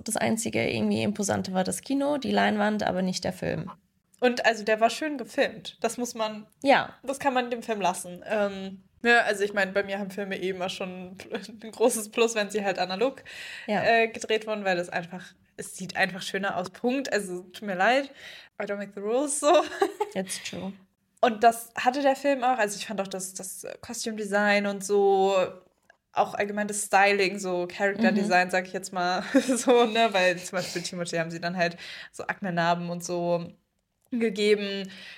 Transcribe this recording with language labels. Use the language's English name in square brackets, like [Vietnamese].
[German] Das Einzige irgendwie Imposante war das Kino, die Leinwand, aber nicht der Film. Und also der war schön gefilmt. Das muss man, das kann man dem Film lassen. Ich meine, bei mir haben Filme immer schon ein großes Plus, wenn sie halt analog gedreht wurden, weil es sieht einfach schöner aus, Punkt. Also tut mir leid, [English] I don't make the rules, so. That's true. [German] Und das hatte der Film auch, also ich fand auch das Costume Design und so, auch allgemein das Styling, so Character Design, sag ich jetzt mal so, ne, weil zum Beispiel Timothée haben sie dann halt so Akne-Narben und so gegeben.